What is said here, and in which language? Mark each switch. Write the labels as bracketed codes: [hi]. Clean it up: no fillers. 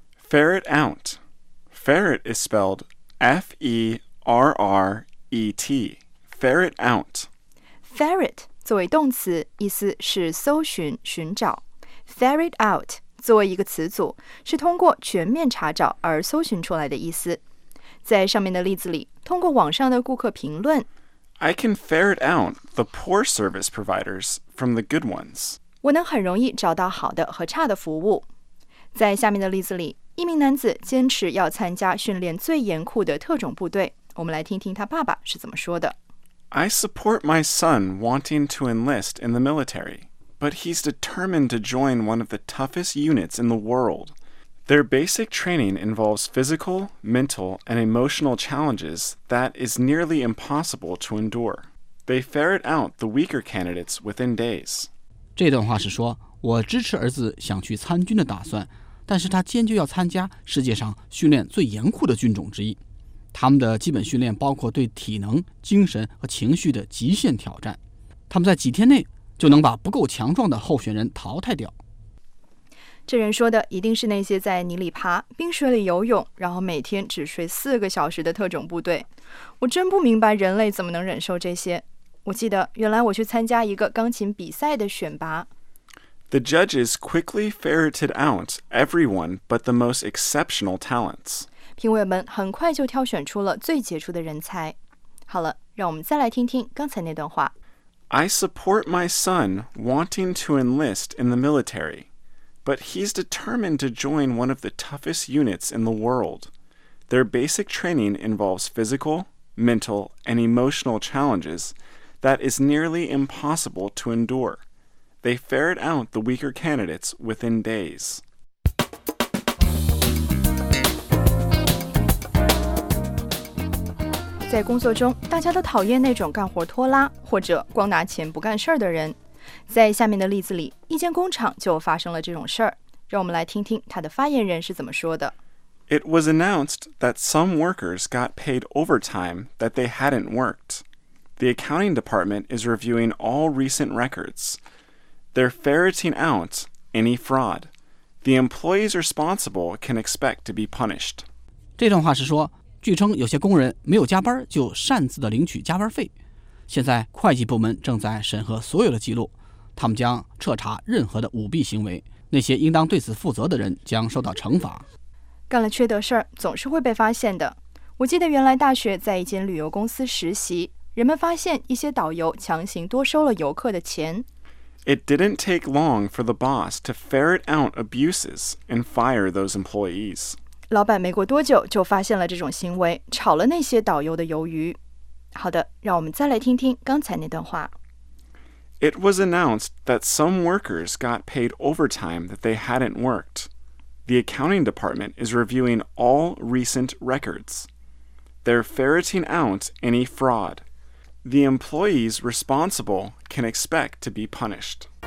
[en] Ferret out. Ferret is spelled F-E-R-R-E-T, ferret out. [zh] Ferret 作为动词，意思是搜寻、寻找。 Ferret out 作为一个词组，是通过全面查找而搜寻出来的意思。在上面的例子里，通过网上的顾客评论 [en] ，I can ferret out the poor service providers from the good ones. [zh] 我能很容易找到好的和差的服务。在下面的例子里，一名男子坚持要参加训练最严酷的特种部队。我们来听听他爸爸是怎么说的。 [en] I support my son wanting to enlist in the military, but he's determined to join one of the toughest units in the world. Their basic training involves physical, mental, and emotional challenges that is nearly impossible to endure. They ferret out the weaker candidates within days. [zh] 这段话是说，我支持儿子想去参军的打算，但是他坚决要参加世界上训练最严酷的军种之一。他们的基本训练包括对体能、精神和情绪的极限挑战。他们在几天内就能把不够强壮的候选人淘汰掉。这人说的一定是那些在泥里爬、冰水里游泳，然后每天只睡四个小时的特种部队。我真不明白人类怎么能忍受这些。我记得原来我去参加一个钢琴比赛的选拔。 [en] The judges quickly ferreted out everyone but the most exceptional talents. [zh] 评委们很快就挑选出了最杰出的人才。好了，让我们再来听听刚才那段话。 [en] I support my son wanting to enlist in the military, but he's determined to join one of the toughest units in the world. Their basic training involves physical, mental, and emotional challenges that is nearly impossible to endure. They ferret out the weaker candidates within days. [zh] 在工作中，大家都讨厌那种干活拖拉或者光拿钱不干事儿的人。在下面的例子里，一间工厂就发生了这种事儿。让我们来听听他的发言人是怎么说的。 [en] It was announced that some workers got paid overtime that they hadn't worked. The accounting department is reviewing all recent records. They're ferreting out any fraud. The employees responsible can expect to be punished. [zh] 这段话是说，据称有些工人没有加班就擅自的领取加班费。现在会计部门正在审核所有的记录，他们将彻查任何的舞弊行为，那些应当对此负责的人将受到惩罚。干了缺德事儿，总是会被发现的。我记得原来大学在一间旅游公司实习，人们发现一些导游强行多收了游客的钱。 [en] It didn't take long for the boss to ferret out abuses and fire those employees. [zh] 老板没过多久就发现了这种行为，炒了那些导游的鱿鱼。好的，让我们再来听听刚才那段话。 [en] It was announced that some workers got paid overtime that they hadn't worked. The accounting department is reviewing all recent records. They're ferreting out any fraud. The employees responsible can expect to be punished.